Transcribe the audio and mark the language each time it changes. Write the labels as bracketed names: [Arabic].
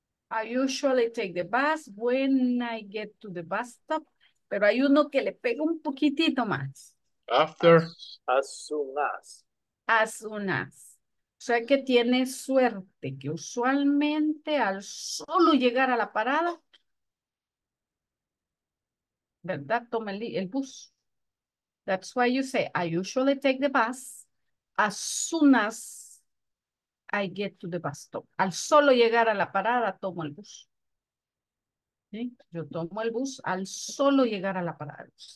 [English] I usually take the bus when I get to the bus stop, [Spanish] pero hay uno que le pega un poquitito más. [English] After. As soon as. As soon as. [Spanish] O sea que tiene suerte, que usualmente al solo llegar a la parada, ¿verdad? Toma el bus. [English] That's why you say, I usually take the bus as soon as I get to the bus stop. [Spanish] Al solo llegar a la parada, tomo el bus. ¿Sí? Yo tomo el bus al solo llegar a la parada.